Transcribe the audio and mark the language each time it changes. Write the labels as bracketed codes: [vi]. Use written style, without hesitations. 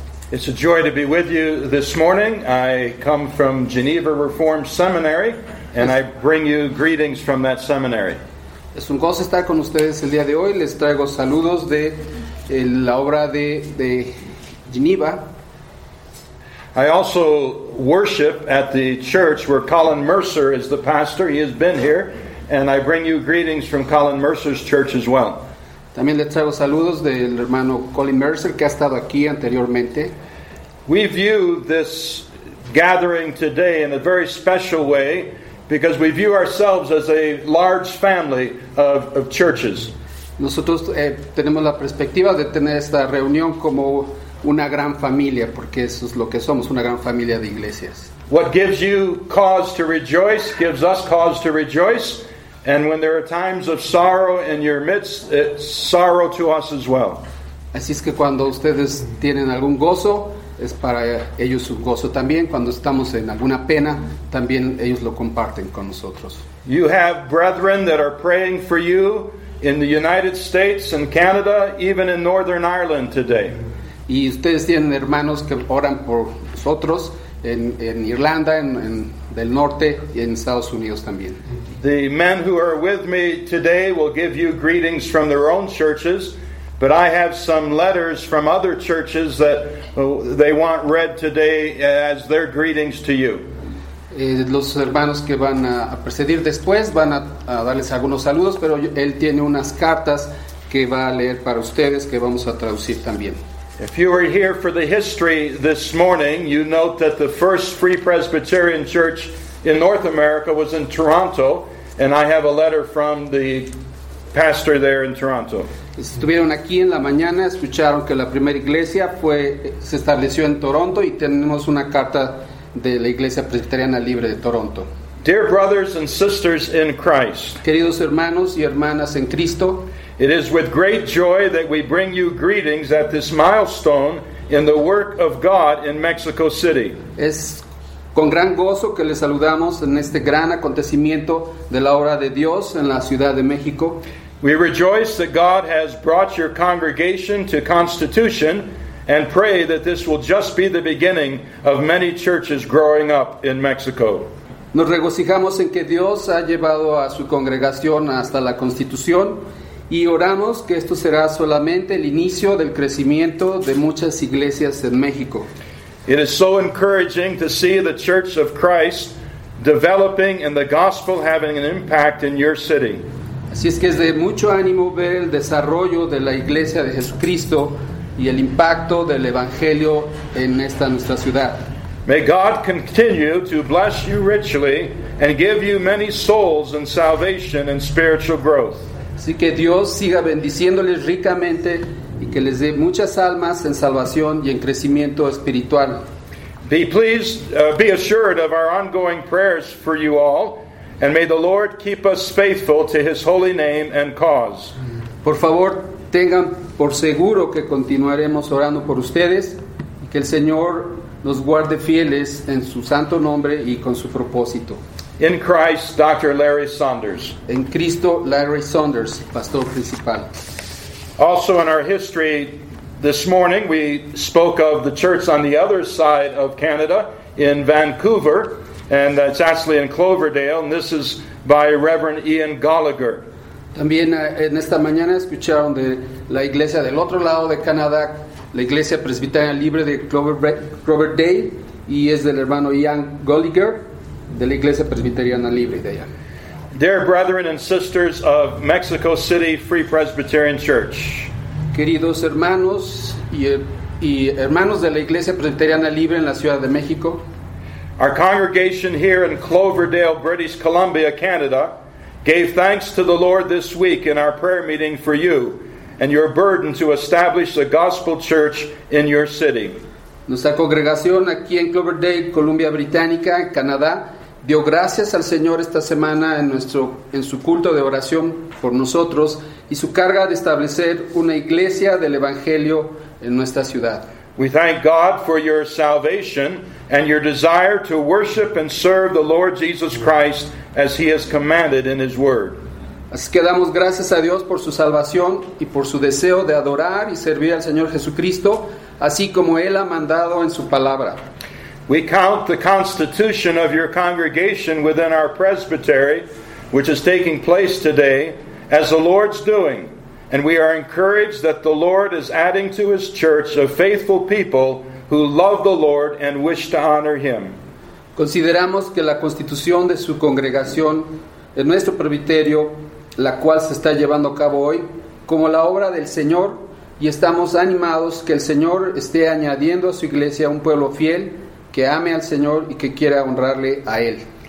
[en] It's a joy to be with you this morning. I come from Geneva Reformed Seminary, and I bring you greetings from that seminary. [es] Es un gozo estar con ustedes el día de hoy. Les traigo saludos de la obra de Geneva. [en] I also worship at the church where Colin Mercer is the pastor. He has been here, and I bring you greetings from Colin Mercer's church as well. [es] También les traigo saludos del hermano Colin Mercer, que ha estado aquí anteriormente. [en] We view this gathering today in a very special way because we view ourselves as a large family of churches. [es] Nosotros tenemos la perspectiva de tener esta reunión como una gran familia, porque eso es lo que somos, una gran familia de iglesias. [en] What gives you cause to rejoice gives us cause to rejoice. And when there are times of sorrow in your midst, it's sorrow to us as well. [es] Así es que cuando ustedes tienen algún gozo, es para ellos un gozo también. Cuando estamos en alguna pena, también ellos lo comparten con nosotros. [en] You have brethren that are praying for you in the United States and Canada, even in Northern Ireland today. [es] Y ustedes tienen hermanos que oran por nosotros en Irlanda, en del norte y en Estados Unidos también. [en] The men who are with me today will give you greetings from their own churches, but I have some letters from other churches that they want read today as their greetings to you. [es] Los hermanos que van a precedir después van a darles algunos saludos, pero él tiene unas cartas que va a leer para ustedes que vamos a traducir también. [en] If you were here for the history this morning, you note that the first Free Presbyterian Church in North America was in Toronto, and I have a letter from the pastor there in Toronto. [es] Estuvieron aquí en la mañana, escucharon que la primera iglesia fue se estableció en Toronto y tenemos una carta de la Iglesia Presbiteriana Libre de Toronto. [en] Dear brothers and sisters in Christ. [es] Queridos hermanos y hermanas en Cristo. [en] It is with great joy that we bring you greetings at this milestone in the work of God in Mexico City. [es] Es con gran gozo que les saludamos en este gran acontecimiento de la obra de Dios en la Ciudad de México. [en] We rejoice that God has brought your congregation to Constitution and pray that this will just be the beginning of many churches growing up in Mexico. [es] Nos regocijamos en que Dios ha llevado a su congregación hasta la Constitución. Y oramos que esto será solamente el inicio del crecimiento de muchas iglesias en México. [en] It is so encouraging to see the Church of Christ developing and the gospel having an impact in your city. [es] Así es que es de mucho ánimo ver el desarrollo de la Iglesia de Jesucristo y el impacto del Evangelio en esta nuestra ciudad. [en] May God continue to bless you richly and give you many souls and salvation and spiritual growth. [es] Así que Dios siga bendiciéndoles ricamente y que les dé muchas almas en salvación y en crecimiento espiritual. [en] Be pleased, be assured of our ongoing prayers for you all, and may the Lord keep us faithful to His holy name and cause. [es] Por favor, tengan por seguro que continuaremos orando por ustedes y que el Señor nos guarde fieles en su santo nombre y con su propósito. [en] In Christ, Dr. Larry Saunders. [es] En Cristo, Larry Saunders, pastor principal. [en] Also in our history this morning, we spoke of the church on the other side of Canada, in Vancouver, and that's actually in Cloverdale, and this is by Reverend Ian Gallagher. [es] También en esta mañana escucharon de la iglesia del otro lado de Canadá, la iglesia presbiteriana libre de Cloverdale, y es del hermano Ian Gallagher. De la Iglesia Presbiteriana Libre de allá. [en] Dear brethren and sisters of Mexico City Free Presbyterian Church. [es] Queridos hermanos y hermanos de la Iglesia Presbiteriana Libre en la Ciudad de México. [en] Our congregation here in Cloverdale, British Columbia, Canada, gave thanks to the Lord this week in our prayer meeting for you and your burden to establish a gospel church in your city. [es] Nuestra congregación aquí en Cloverdale, Columbia Británica, Canadá, dio gracias al Señor esta semana en su culto de oración por nosotros y su carga de establecer una iglesia del Evangelio en nuestra ciudad. [en] We thank God for your salvation and your desire to worship and serve the Lord Jesus Christ as He has commanded in His Word. [es] Así que damos gracias a Dios por su salvación y por su deseo de adorar y servir al Señor Jesucristo, así como Él ha mandado en su palabra. [en] We count the constitution of your congregation within our presbytery, which is taking place today, as the Lord's doing, and we are encouraged that the Lord is adding to His church a faithful people who love the Lord and wish to honor Him. [es] Consideramos que la constitución de su congregación en nuestro presbiterio, la cual se está llevando a cabo hoy, como la obra del Señor, y estamos animados que el Señor esté añadiendo a su iglesia un pueblo fiel que ame al Señor y que quiera honrarle a Él.